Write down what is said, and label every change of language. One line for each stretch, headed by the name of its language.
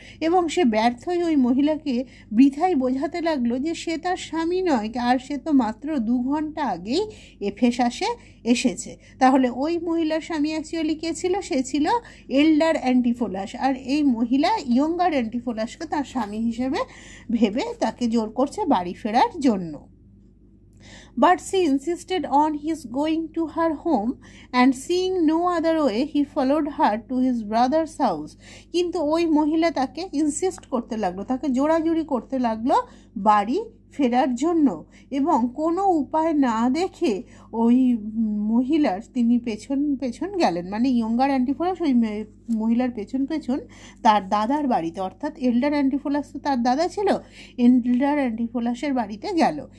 Bangla: এবং সে ব্যর্থই ওই মহিলাকে বৃথাই বোঝাতে লাগলো যে সে তার স্বামী নয়, আর সে তো মাত্র দু ঘন্টা আগেই এফেসাসে এসেছে। তাহলে ওই মহিলার স্বামী অ্যাকচুয়ালি কে ছিল? সে ছিল এল্ডার অ্যান্টিফোলাস, আর এই মহিলা ইয়ঙ্গার অ্যান্টিফোলাসকে তার স্বামী হিসেবে ভেবে তাকে জোর করছে বাড়ি ফেরার জন্য।
English: But she insisted on his going to her home and seeing no other way he followed her to his brother's house.
Bangla: কিন্তু ওই মহিলা তাকে ইনসিস্ট করতে লাগলো, তাকে জোরাজুরি করতে লাগলো বাড়ি ফেরার জন্য, এবং কোনো উপায় না দেখে ওই মহিলার তিনি পেছন পেছন গেলেন, মানে ইয়ঙ্গার অ্যান্টিফোলাস ওই মহিলার পেছন পেছন তার দাদার বাড়িতে, অর্থাৎ এল্ডার অ্যান্টিফোলাস তো তার দাদা ছিল, এল্ডার অ্যান্টিফোলাসের বাড়িতে গেল।